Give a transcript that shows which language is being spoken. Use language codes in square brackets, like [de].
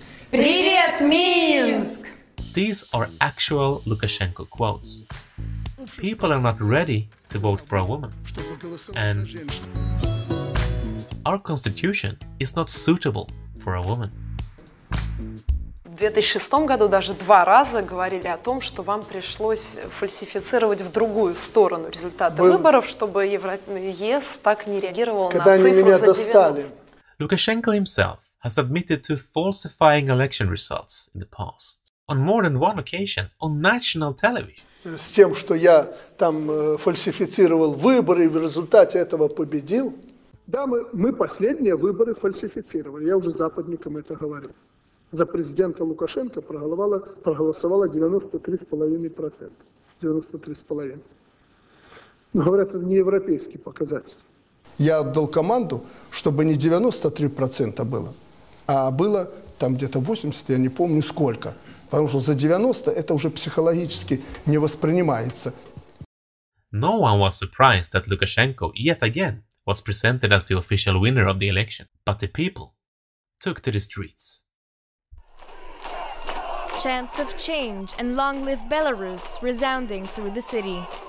[ru] Привет, Минск! [en] These are actual Lukashenko quotes. People are not ready to vote for a woman. And our constitution is not suitable for a woman. [ru] 2006 году даже два раза говорили о том, что вам пришлось фальсифицировать в другую сторону результаты выборов, чтобы ЕС так не реагировал на цифру за 90. [en] Lukashenko himself has admitted to falsifying election results in the past. On more than one occasion, on national television. [ru] С тем, что я там фальсифицировал выборы и в результате этого победил. Да, мы последние выборы фальсифицировали. Я уже западникам это говорил. За президента Лукашенко проголосовало 93,5%. 93,5%. Но говорят, это не европейский показатель. Я отдал команду, чтобы не 93% было, а было там где-то 80%, я не помню сколько. Потому что за 90% это уже психологически не воспринимается. [en] No one was surprised that Lukashenko yet again was presented as the official winner of the election. But the people took to the streets. Chants of change and long live Belarus resounding through the city.